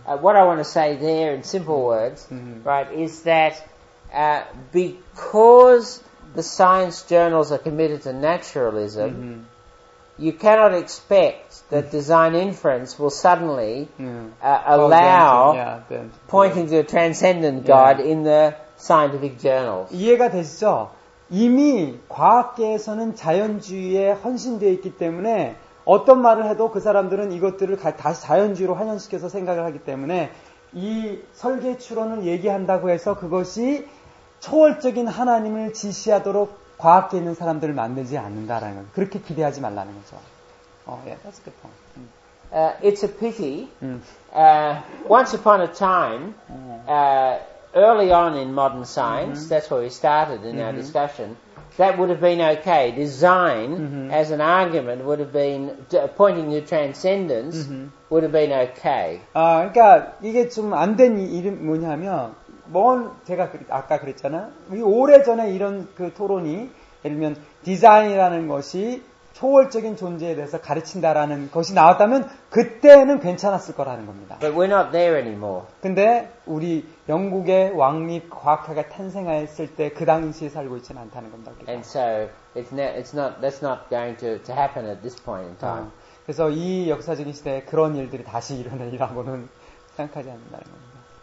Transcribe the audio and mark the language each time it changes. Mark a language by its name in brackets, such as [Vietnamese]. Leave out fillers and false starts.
[English] What I want to say there, in simple words, right, is that because the science journals are committed to naturalism. You cannot expect that design inference will suddenly allow pointing to a transcendent God in the scientific journals. [Korean] 이해가 되시죠? 이미 과학계에서는 자연주의에 헌신되어 있기 때문에 어떤 말을 해도 그 사람들은 이것들을 다시 자연주의로 환원시켜서 생각을 하기 때문에 이 설계 추론을 얘기한다고 해서 그것이 초월적인 하나님을 지시하도록 과학계에 있는 사람들을 만들지 않는다라는 거죠. 그렇게 기대하지 말라는 거죠. [English] That's a good point. It's a pity. Once upon a time, early on in modern science, that's where we started in our discussion, that would have been okay. Design as an argument would have been, pointing to transcendence would have been okay. [Korean] 그러니까 이게 좀 안 된 이름 뭐냐면, 뭔 제가 아까 그랬잖아. 오래 전에 이런 그 토론이 예를 들면 디자인이라는 것이 초월적인 존재에 대해서 가르친다라는 것이 나왔다면 그때는 괜찮았을 거라는 겁니다. [English] But we're not there anymore. [Korean] 근데 우리 영국의 왕립 과학회가 탄생했을 때 그 당시에 살고 있지는 않다는 겁니다. 우리가. [English] And so that's not going to happen at this point in time. [Korean] 그래서 이 역사적인 시대에 그런 일들이 다시 일어나리라고는 생각하지 않는다는 겁니다.